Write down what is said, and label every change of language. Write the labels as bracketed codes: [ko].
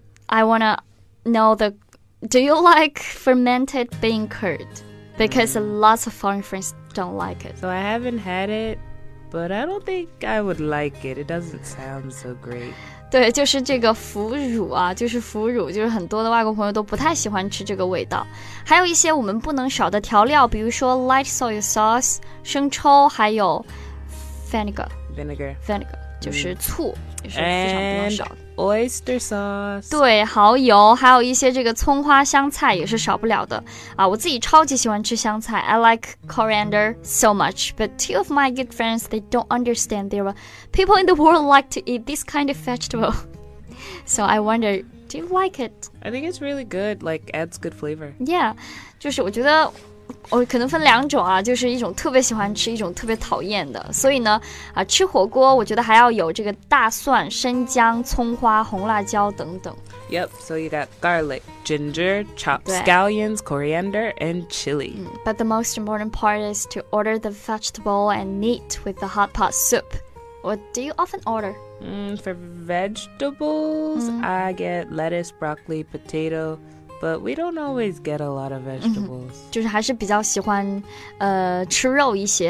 [en] I want to know the, do you like fermented bean curd? Because lots of foreign friends don't like it. So I haven't had it, but I don't think I would like it. It doesn't sound so great. [zh] 对，就是这个腐乳啊，就是腐乳，就是很多的外国朋友都不太喜欢吃这个味道。还有一些我们不能少的调料，比如说 light soy sauce, 生抽，还有 vinegar 就是醋，也是非常不能少的。 [en] Oyster sauce. [zh] 对，蚝油，还有一些这个葱花香菜也是少不了的。啊，我自己超级喜欢吃香菜。 [en] I like coriander so much, but two of my good friends, they don't understand there are people in the world like to eat this kind of vegetable. So I wonder, do you like it? I think it's really good, like adds good flavor. [zh] Yeah, 就是我觉得我可能分两种啊，就是一种特别喜欢吃，一种特别讨厌的。所以呢，啊，吃火锅我觉得还要有这个大蒜、生姜、葱花、红辣椒等等。 [en] Yep, so you got garlic, ginger, chopped scallions, coriander, and chili. But the most important part is to order the vegetable and meat with the hot pot soup. What do you often order? For vegetables, I get lettuce, broccoli, potato. But we don't always get a lot of vegetables. [zh] 就是还是比较喜欢吃肉一些。